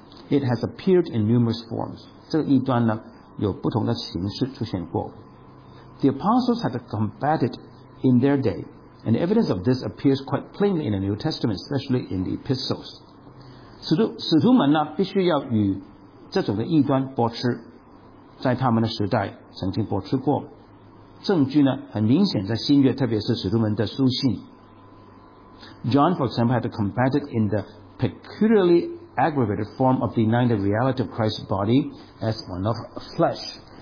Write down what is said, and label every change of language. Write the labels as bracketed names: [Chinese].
[English] It has appeared in numerous forms. [Chinese] 这个异端呢,有不同的形式出现过。 [English] The apostles had combated in their day, and the evidence of this appears quite plainly in the New Testament, especially in the epistles. [Chinese] 使徒们呢,必须要与这种的异端驳斥,在他们的时代曾经驳斥过。证据呢,很明显在新约,特别是使徒们的书信。 [English] John, for example, had to combat it in the peculiarly aggravated form of denying the reality of Christ's body as one of flesh.